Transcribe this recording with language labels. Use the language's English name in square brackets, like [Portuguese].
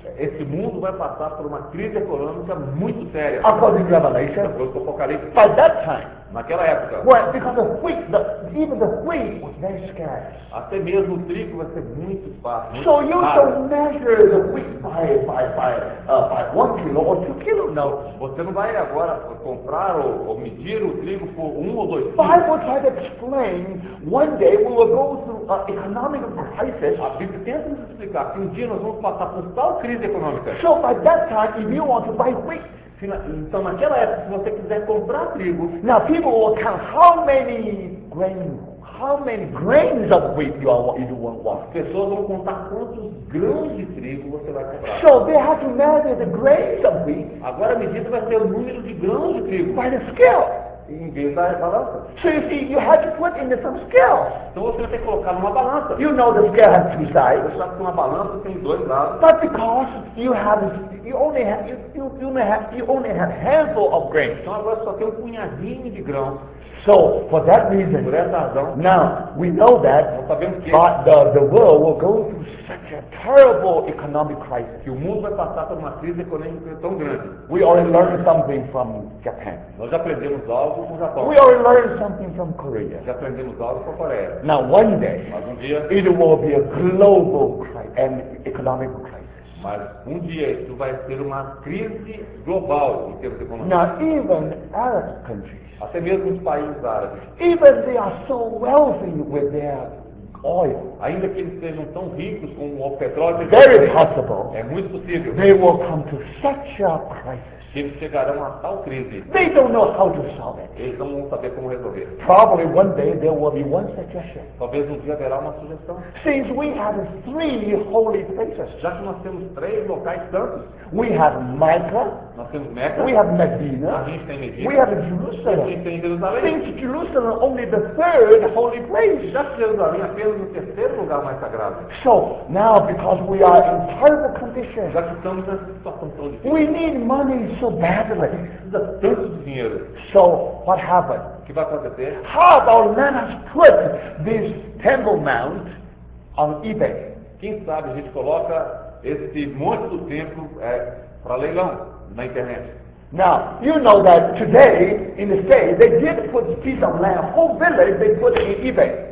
[Portuguese] Esse mundo vai passar por uma crise econômica muito séria. [English] According to Revelation. [Portuguese] De acordo com o Apocalipse. [English] By that time. [Portuguese] Naquela época. [English] Well, because of wheat, even the wheat was very scarce. [Portuguese] Até mesmo o trigo vai ser muito fácil. [English] So you don't measure the wheat by 1 kilo or 2 kilo. [Portuguese] Não, você não vai agora comprar ou medir o trigo por 1 ou 2 [English] kilos. Bible tries to explain one day we will go through an economic crisis. [Portuguese] A Bíblia tenta nos explicar que um dia nós vamos passar por tal crise econômica. [English] So by that time, if you want to buy wheat. [Portuguese] Então, naquela época, se você quiser comprar trigo, [English] now people will count how many grains of wheat you want. [Portuguese] As pessoas vão contar quantos grãos de trigo você vai comprar. [English] So they have to measure the grains of wheat. [Portuguese] Agora a medida vai ser o número de grãos de trigo. [English] By the scale. [Portuguese] Em vez da balança. [English] So you see, you have to put in some scale. [Portuguese] Então você vai ter que colocar numa balança. [English] You know the scale has two sides. [Portuguese] Você sabe que uma balança tem dois lados. [English] But because you have you only have handful of grains. [Portuguese] Então agora só tem um punhadinho de grão. [English] So for that reason, [Portuguese] por essa razão, [English] now we know that, [Portuguese] nós sabemos que, [English] but the world will go through such a terrible economic crisis. [Portuguese] Que o mundo vai passar por uma crise econômica tão grande. [English] We already learned something from Japan. [Portuguese] Nós aprendemos algo com o Japão. [English] We already learned something from Korea. [Portuguese] Já aprendemos algo com a Coreia. [English] Now one day, [Portuguese] mas um dia, [English] it will be a global crisis and economic crisis. [Portuguese] Mas um dia isso vai ser uma crise global em termos econômicos. [English] Now even Arab countries. [Portuguese] Até mesmo os países árabes. [English] Even they are so wealthy with their oil. [Portuguese] Ainda que eles sejam tão ricos com o petróleo. [English] Very possible. [Portuguese] É muito possível. [English] They will come to such a crisis. [Portuguese] Eles chegarão a tal crise. [English] They don't know how to solve it. [Portuguese] Eles não vão saber como resolver. [English] Probably one day there will be one suggestion. [Portuguese] Talvez um dia haverá uma sugestão. [English] Since we have three holy places. [Portuguese] Já que nós temos três locais santos. [English] We have Mecca. [Portuguese] Nós temos Mecca. [English] We have Medina. [Portuguese] A gente tem Medina. [English] We have Jerusalem. [Portuguese] A gente tem Jerusalém. [English] Since Jerusalem only the third holy place. [Portuguese] Já que Jerusalém apenas o terceiro lugar mais sagrado. [English] So now because we are in terrible condition. [Portuguese] Já que estamos nessa situação tão difícil. [English] We need money so badly. [Portuguese] Precisa tanto de dinheiro. [English] So what happened? [Portuguese] O que vai acontecer? [English] How about let us put this temple mount on eBay? [Portuguese] Quem sabe a gente coloca esse monte do templo para leilão na internet. [English] Now, you know that today in the States they did put a piece of land, a whole village they put in eBay.